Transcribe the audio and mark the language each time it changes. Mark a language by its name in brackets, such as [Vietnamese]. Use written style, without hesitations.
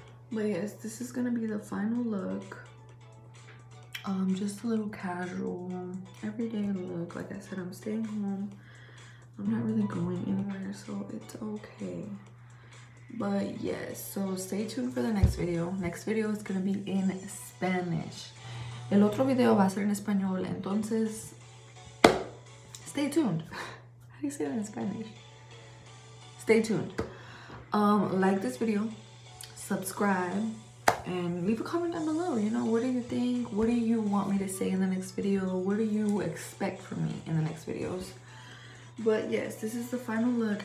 [English] But, yes, this is going to be the final look. Just a little casual, everyday look. Like I said, I'm staying home. I'm not really going anywhere, so it's okay. But yes, so stay tuned for the next video. Next video is gonna be in Spanish. [Spanish] El otro video va a ser en español, entonces, [English] stay tuned. How do you say that in Spanish? Stay tuned. Like this video, subscribe, and leave a comment down below. You know, what do you think? What do you want me to say in the next video? What do you expect from me in the next videos? But yes, this is the final look.